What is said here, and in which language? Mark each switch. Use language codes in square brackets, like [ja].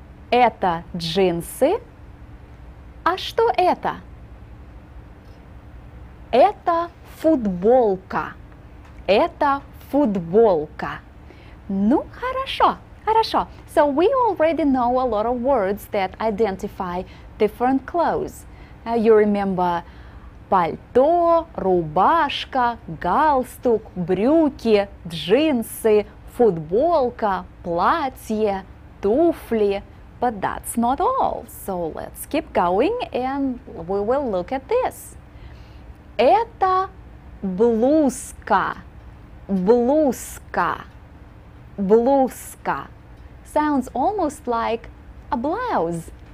[ru] Это джинсы. А что это? Это футболка. Это футболка. Ну, хорошо, хорошо. [en] So we already know a lot of words that identify different clothes. You remember [ru] пальто, рубашка, галстук, брюки, джинсы, футболка, платье, туфли. [en] But that's not all. So let's keep going and we will look at this. [ru] Это блузка. Блузка. [en] Блузка. Sounds almost like a blouse.